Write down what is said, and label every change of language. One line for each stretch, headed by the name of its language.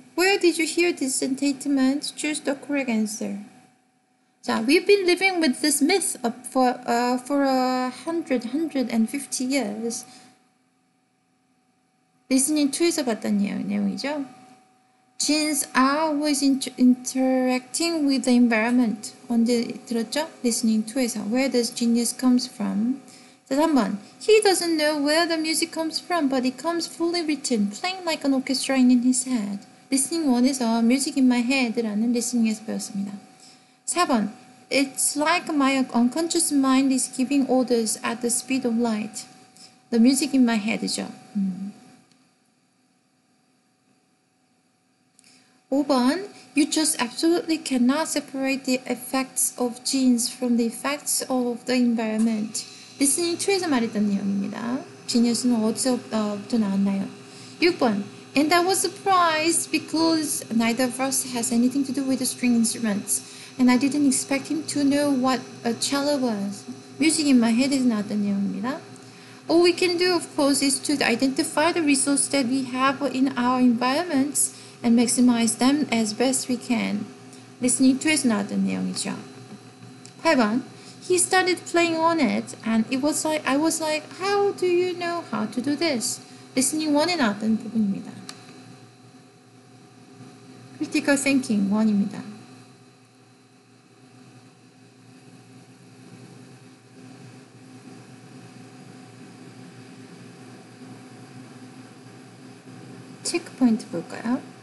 English: Where did you hear this statement? Choose the correct answer. 자, we've been living with this myth for 150 years.
Korean: Listening to에서 봤던 내용이죠.
English: Genes are always interacting with the environment.
Korean: 언제 들었죠?
English: Listening to에서. Where does genius comes from?
Korean: 자, 3번.
English: He doesn't know where the music comes from, but it comes fully written, playing like an orchestra in his head.
Korean: Listening 1에서 Music in my head라는 listening에서 배웠습니다. 4번.
English: It's like my unconscious mind is giving orders at the speed of light. The music in my head죠.
Korean: 5번.
English: You just absolutely cannot separate the effects of genes from the effects of the environment.
Korean: Listening to에서 말했던 내용입니다. 지니어스는 어디서부터 나왔나요? 6번.
English: And I was surprised because neither of us has anything to do with the string instruments. And I didn't expect him to know what a cello was.
Korean: Music in my head에서 나왔던 내용입니다.
English: All we can do, of course, is to identify the resources that we have in our environments and maximize them as best we can.
Korean: Listening to에서 나왔던 내용이죠. 8번.
English: He started playing on it, and it was like, I was like, how do you know how to do this?
Korean: Listening 1에 나왔던 부분입니다. Critical thinking 1입니다. 체크포인트 볼까요?